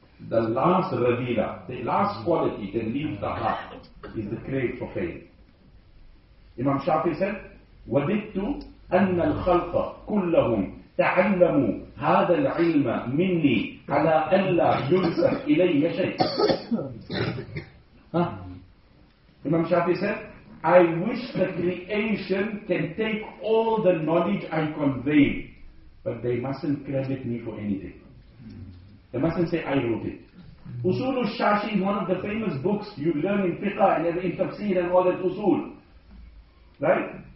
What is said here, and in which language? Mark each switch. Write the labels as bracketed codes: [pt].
[en] The last radila, the last quality that leaves the heart is the crave for faith. Imam Shafi said, [ar] وَدِدْتُ أَنَّ الْخَلْقَ كُلَّهُمْ تَعَلَّمُوا هَذَا الْعِلْمَ مِنِّي عَلَىٰ أَلَّا يُنْسَرْ إِلَيَّ شَيْءٍ. [en] Imam Shafi said, I wish the creation can take all the knowledge I convey, but they mustn't credit me for anything. They mustn't say I wrote it. Usul al-Shashi, one of the famous books you learn in fiqh and in tafsir and all that usul. Right?